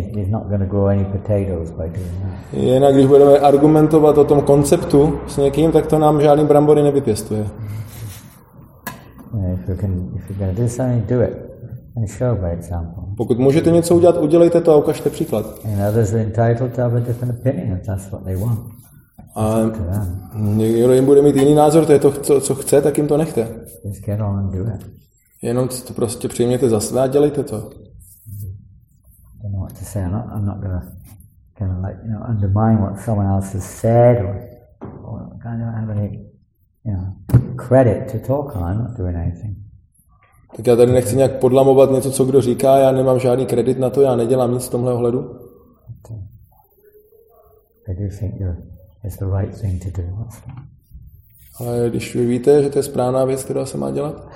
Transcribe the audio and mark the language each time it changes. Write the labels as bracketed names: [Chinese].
[English] He's not going to grow any potatoes by doing that. [Czech] Jinak, když budeme argumentovat o tom konceptu s někým, tak to nám žádný brambory nevypěstuje. [English] If you're going to do something, do it and show by example. [Czech] Pokud můžete něco udělat, udělejte to a ukažte příklad. [English] And others are entitled to have a different opinion if that's what they want. [Czech] A někdo jim bude mít jiný názor, to je to, co chce, tak jim to nechte. [English] Just get on and do it. [Czech] Jenom to prostě přijměte za své a dělejte to. [English] I don't know what to say. I'm not gonna kind of like, you know, undermine what someone else has said, or kind of have any, you know, credit to talk on. I'm not doing anything. [Czech] Tak já tady nechci nějak podlamovat něco, co kdo říká. Já nemám žádný kredit na to. Já nedělám nic v tomhle ohledu. [English] I do think it's the right thing to do. What's that? [Czech] Ale když vy víte, že to je správná věc, která se má dělat?